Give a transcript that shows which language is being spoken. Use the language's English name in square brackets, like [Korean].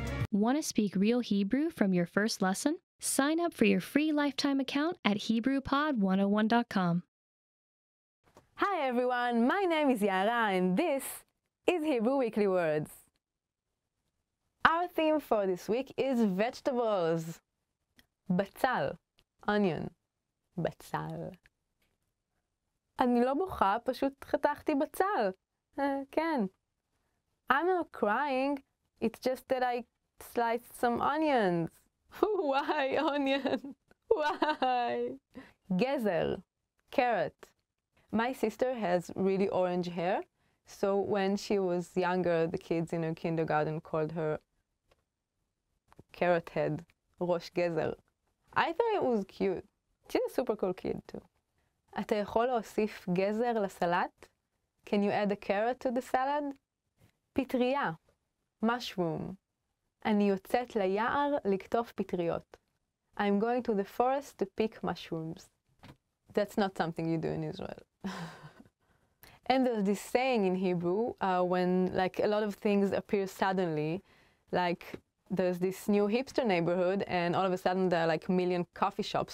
[English] Want to speak real Hebrew from your first lesson? Sign up for your free lifetime account at HebrewPod101.com. Hi, everyone. My name is Yara, and this is Hebrew Weekly Words. Our theme for this week is vegetables. Batzal, onion. Batzal. [Hebrew] אני לא בוכה, פשוט חתכתי בצל. כן. [English] I'm not crying, it's just that I sliced some onions. Why onion? Why? גזר, carrot. My sister has really orange hair. So when she was younger, the kids in her kindergarten called her Carrot Head, Rosh Gezer. I thought it was cute. She's a super cool kid too. [Hebrew] אתה יכול להוסיף גזר לסלט? [English] Can you add a carrot to the salad? פטריה, mushroom. [Hebrew] אני יוצאת ליער לקטוף פטריות. [English] I'm going to the forest to pick mushrooms. That's not something you do in Israel. And there's this saying in Hebrew, when like a lot of things appear suddenly, like there's this new hipster neighborhood and all of a sudden there are like a million coffee shops.